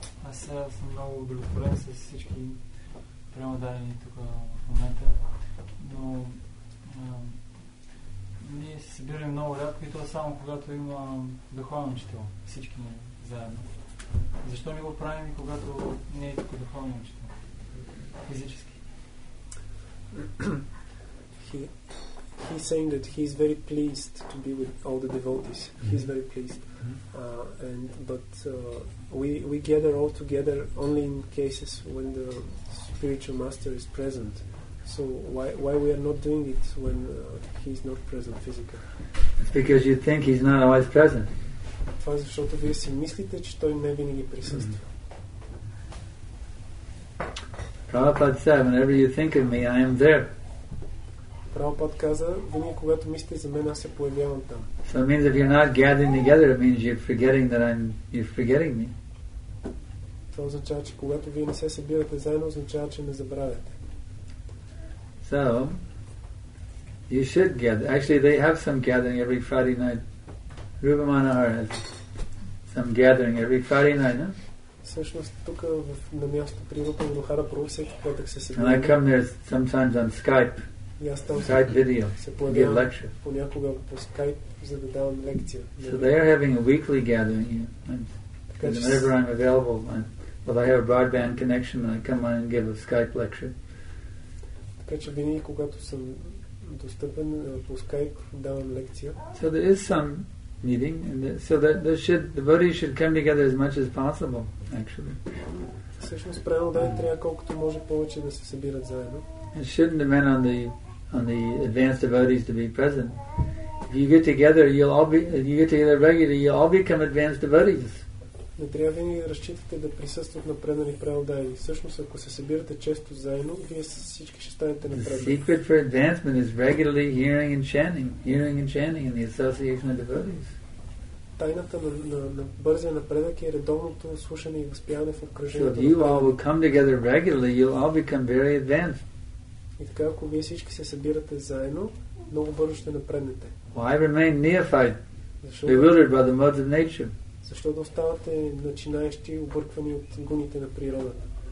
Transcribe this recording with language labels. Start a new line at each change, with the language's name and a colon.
Bulgarian: Аз сега съм много удовлетворен с всички прямо дадени тук в момента, но ние се събираме много рядко и това само когато има духовен учител, всички ми заедно. Защо не го правим и когато не е тако духовен учител? Физически.
English: He's saying that he's very pleased to be with all the devotees. Mm-hmm. He's very pleased. But we gather all together only in cases when the spiritual master is present. So why we are not doing it when he's not present physically? It's because you think he's not always present.
Bulgarian: Това е защото вие си мислите, че той не винаги присъства.
English: Prabhupada said, whenever you think of me, I am there.
Bulgarian: Прабхупад каза, винаги когато мислите за мен, аз се появявам там.
English: So it means if you're not gathering together, it means you're forgetting that you're forgetting me.
Bulgarian: Това означава, че когато вие не се събирате заедно, означава, че ме забравяте.
English: So, you should gather. Actually, they have some gathering every Friday night. Rupa Manohar has some gathering every Friday night, no?
Bulgarian: Всъщност, тук на място при Рупа Манохара Прабху всеки петък се събираме.
English: And I come there sometimes on Skype. Skype video, give lecture. So they are having a weekly gathering here. Whenever I'm available, well, I have a broadband connection, and I come on and give a Skype lecture. So there is some meeting, and so that the devotees should come together as much as possible, actually.
Bulgarian: Всъщност, правило да е трябва колкото може повече да се събират заедно.
English: It shouldn't depend on the advanced devotees to be present. If you get together, you get together regularly, you'll all become advanced devotees.
Bulgarian: Не трябва винаги да разчитате да присъстват на преднали преодаяни. Всъщност, ако се събирате често заедно, вие всички ще станете на преднали.
English: The secret for advancement is regularly hearing and chanting in the association of devotees.
Bulgarian: Тайната на бързия напредък е редовното слушане и възпяване в окръжението.
English: So if you all will come together regularly, you'll all become very advanced.
Bulgarian: И така, ако вие всички се събирате заедно, много бързо ще напреднете.
English: Why remain neophyte, bewildered by the modes of nature?
Bulgarian: Защо да оставате начинаещи, обърквани от гуните на природата?